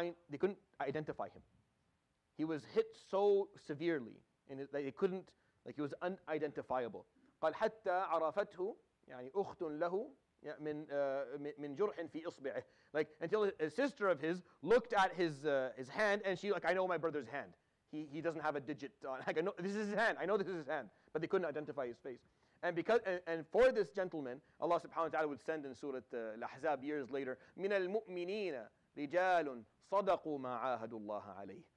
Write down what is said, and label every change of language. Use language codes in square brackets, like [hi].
[en] They couldn't identify him. He was hit so severely, and they couldn't, like, he was unidentifiable. [ar] قَالْ حَتَّى عَرَفَتْهُ يعني أُخْتٌ لَهُ مِنْ جُرْحٍ فِي إِصْبِعِهِ. [en] Like, until a sister of his looked at his hand, and she, like, I know my brother's hand. He doesn't have a digit on. Like, I know this is his hand. I know this is his hand. But they couldn't identify his face. And because and for this gentleman, Allah subhanahu wa ta'ala would send in Surah Al-Ahzab years later, [ar] مِنَ الْمُؤْمِنِينَ رِجَالٌ صَدَقُوا مَا عَاهَدُ اللَّهَ عَلَيْهِ.